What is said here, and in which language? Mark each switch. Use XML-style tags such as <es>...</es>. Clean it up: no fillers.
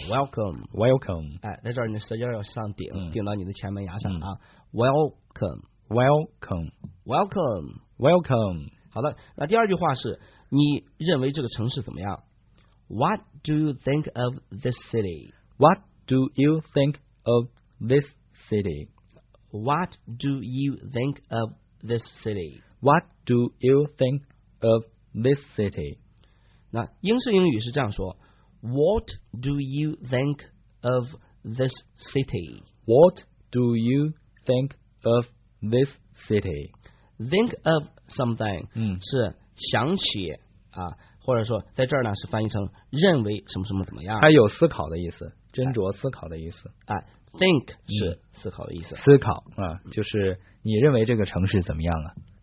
<en>Welcome，Welcome，Welcome。</en> <zh>哎，在这儿你舌尖要上顶，顶到你的前门牙上啊。</zh> <en>Welcome，Welcome，Welcome，Welcome。</en> <zh>好的，那第二句话是，你认为这个城市怎么样 ？</zh> <en>What do you think of this city？ What do you think of this city? What do you think of this city? What do you think of this city?</en> <zh>那英式英语是这样说 ，</zh> <en>What do you think of this city? What do you think of this city? Think of something，</en> <zh>是想起啊，或者说在这儿呢是翻译成认为什么什么怎么样，它有思考的意思。斟酌思考的意思，哎 ，think 是思考的意思，思考啊，就是你认为这个城市怎么样了？</zh>